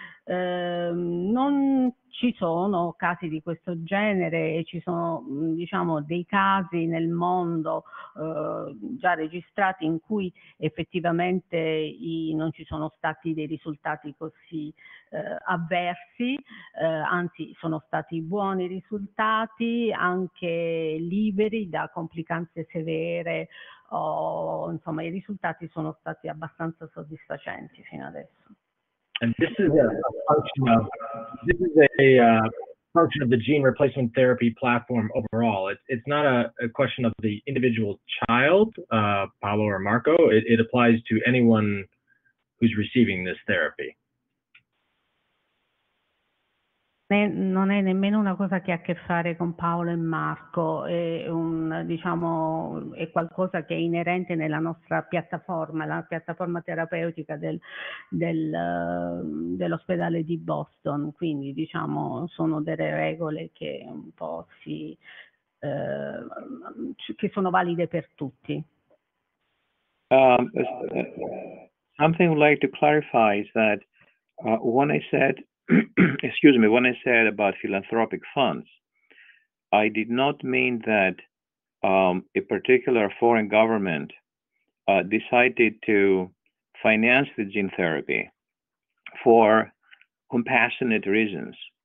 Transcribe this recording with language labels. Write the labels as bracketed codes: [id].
[it] Non ci sono casi di questo genere, ci sono, diciamo, dei casi nel mondo già registrati in cui effettivamente non ci sono stati dei risultati così avversi, anzi sono stati buoni risultati, anche liberi da complicanze severe, o insomma i risultati sono stati abbastanza soddisfacenti fino adesso. [en] And this is a function of the gene replacement therapy platform overall. It's not a question of the individual child, Paolo or Marco. It applies to anyone who's receiving this therapy. [it] Non è nemmeno una cosa che ha a che fare con Paolo e Marco, è qualcosa che è inerente nella nostra piattaforma, la piattaforma terapeutica dell'ospedale di Boston, quindi diciamo sono delle regole che un po' che sono valide per tutti. [en] Something I'd like to clarify is that when I said about philanthropic funds, I did not mean that a particular foreign government decided to finance the gene therapy for compassionate reasons.